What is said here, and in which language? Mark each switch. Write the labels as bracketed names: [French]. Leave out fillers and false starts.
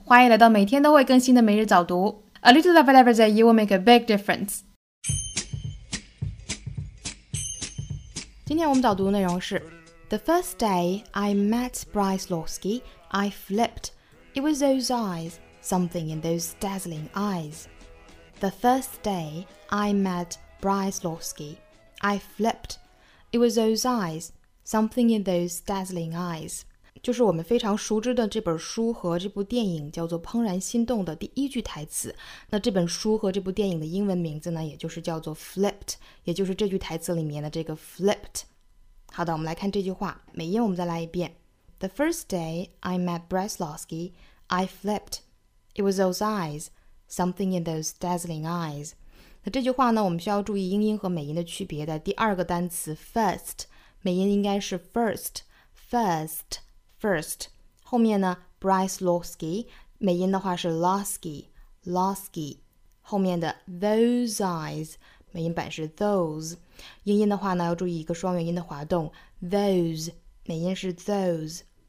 [Chinese] 欢迎来到每天都会更新的每日早读。 [English] A little of it every day, you will make a big difference. [Chinese] 今天我们早读的内容是 [English] The first day I met Bryce Lawski, I flipped. It was those eyes, something in those dazzling eyes. The first day I met Bryce Lawski, I flipped. It was those eyes, something in those dazzling eyes. [Chinese] 就是我们非常熟知的这本书和这部电影叫做《怦然心动》的第一句台词，那这本书和这部电影的英文名字呢，也就是叫做 Flipped， 也就是这句台词里面的这个 Flipped。好的，我们来看这句话，美音我们再来一遍。 [English] The first day I met Bryce Lawski, I flipped. It was those eyes, something in those dazzling eyes. [Chinese] 那这句话呢，我们需要注意英音和美音的区别的。第二个单词 first， 美音应该是 first， firstFirst， 后面呢 ，Bryce Lawski， 美音的话是 Lawski， 后面的 those eyes， 美音版是 those， 英音的话呢，要注意一个双元音的滑动 ，those， 美音是 those。